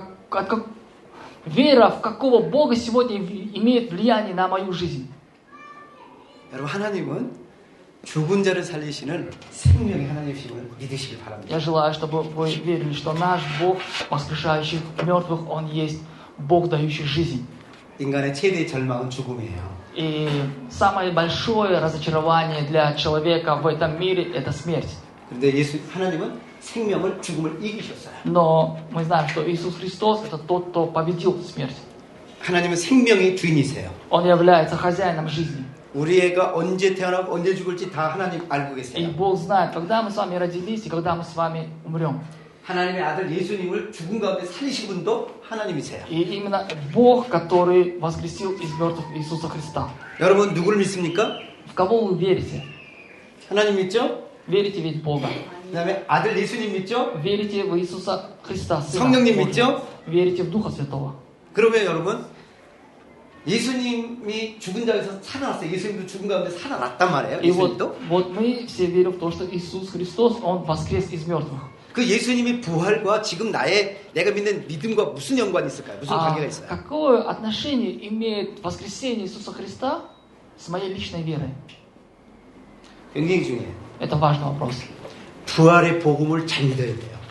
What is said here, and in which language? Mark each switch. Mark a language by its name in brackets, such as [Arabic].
[Russian] Как вера в какого Бога сегодня имеет влияние на мою жизнь? [Korean] 여러분, 하나님은 죽은 자를 살리시는 생명의 하나님이심을 믿으시길 바랍니다. [Russian] Я желаю, чтобы вы верили, что наш Бог, воскрешающий мёртвых, он есть Бог, дающий жизнь. [Korean] 인간의 최대 절망은 죽음이에요. [Russian] И самое большое разочарование для человека в этом мире это смерть. [Korean] 그런데 예수 하나님은 생명을 죽음을 이기셨어요. [Russian] Но мы знаем, что Иисус Христос это тот, кто победил смерть. [Korean] 하나님은 생명의 주인이세요. [Russian] Он является хозяином жизни. [Korean] 우리 애가 언제 태어나고 언제 죽을지 다 하나님 알고 계세요. [Russian] И Бог знает, когда мы с вами родились и когда мы с вами умрём. [Korean] 하나님의 아들 예수님을 죽은 가운데 살리신 분도 하나님이세요. [Russian] И именно Бог, который воскресил из мёртвых Иисуса Христа. [Korean] 여러분 누구를 믿습니까? [Russian] В кого вы верите? [Korean] 하나님 믿죠? [Russian] Верите ведь Бога. [Korean] 그다음에 아들 예수님 믿죠? [Russian] Верите в Иисуса Христа. [Korean] 성령님 믿죠? [Russian] Верите в Духа Святого. [Korean] 그러면 여러분 예수님이 죽은 자에서 살아났어요. 예수님도 죽은 가운데 살아났단 말이에요. 예수님도? [Russian] Вот мы все верим в то, что Иисус Христос, он воскрес из мёртвых. [Korean] 그 예수님이 부활과 지금 나의 내가 믿는 믿음과 무슨 연관이 있을까요? 무슨 관계가 있어요? [Russian] Какое отношение имеет воскресение Иисуса Христа с моей личной верой? [Korean] 굉장히 중요해요. [Russian] Это важный вопрос. [Korean] 부활의 복음을 잘 믿어야 돼요.